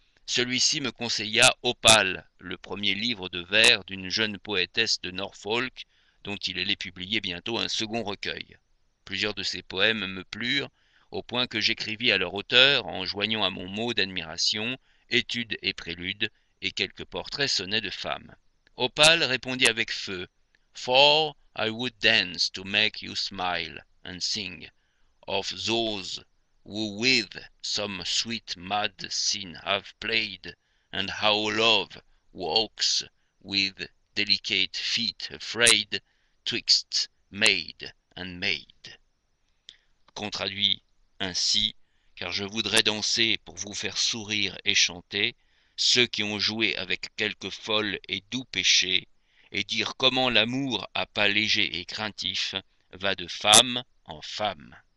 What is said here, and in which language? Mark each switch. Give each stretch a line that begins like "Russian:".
French: Celui-ci me conseilla Opale, le premier livre de vers d'une jeune poétesse de Norfolk, dont il allait publier bientôt un second recueil. Plusieurs de ses poèmes me plurent, au point que j'écrivis à leur auteur en joignant à mon mot d'admiration études et préludes et quelques portraits sonnets de femmes.
English: Opale
French: répondit avec feu:
English: For I would dance to make you smile and sing of those who with some sweet mad sin have played, and how love walks with delicate feet afraid twixt maid and maid.
French: Contraduit ainsi, car je voudrais danser pour vous faire sourire et chanter, ceux qui ont joué avec quelque folle et doux péché, et dire comment l'amour à pas léger et craintif va de femme en femme.